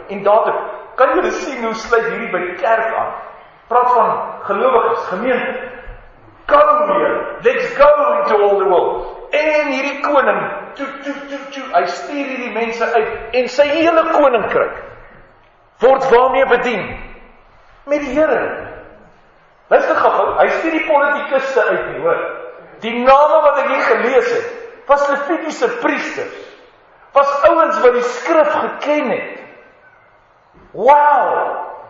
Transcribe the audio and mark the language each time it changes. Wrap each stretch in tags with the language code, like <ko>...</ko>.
<af>En daar, kan jy sien hoe sluit hierdie by die kerk aan? Praat van gelowiges, gemeente.</af> <en>Come here, let's go into all the world.</en> <af>En hierdie koning, hy stuur hierdie mense uit, en sy hele koninkryk, word waarmee bedien? Met die Here. Luister gou, hy stuur die politikuste uit, hoor. Die name wat ek hier gelees het, was Levitiese priesters, was ouens wat die skrif geken het. Wow!</af>